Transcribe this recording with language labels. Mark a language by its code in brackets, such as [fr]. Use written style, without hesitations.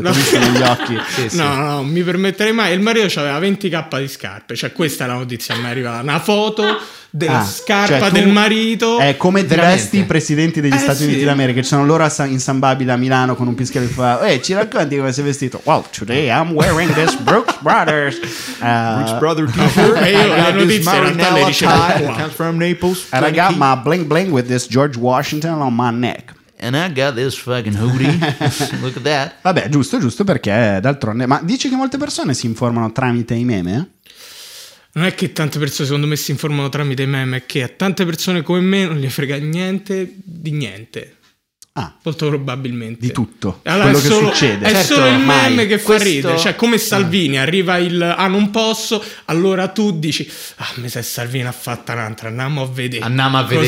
[it] Ti ho negli occhi. No, non mi permetterei mai. Il marito c'aveva 20.000 di scarpe. Cioè, questa è la notizia. A me arriva una foto della scarpa, cioè, del marito. È come diresti i presidenti degli Stati Uniti d'America. Ci sono loro in San Babila a Milano con un pischio che fa: ci racconti come sei vestito? [en] Wow, today I'm wearing this Brooks Brothers Brother t-shirt. [it] E io la notizia in realtà le dicevo: [en] comes from Naples, and I got my bling bling with this George Washington on my neck. And I got this fucking hoodie. Look at that. [it] Vabbè, giusto, perché d'altronde. Ma dici che molte persone si informano tramite i meme? Non è che tante persone, secondo me, si informano tramite i meme, è che a tante persone come me non gli frega niente di niente. Ah. Molto probabilmente. Di tutto. Allora, quello solo, che succede. È certo, solo il meme che fa ridere. Cioè, come Salvini, arriva il non posso, allora tu dici: ah, mi sa Salvini ha fatto un'altra, andiamo a vedere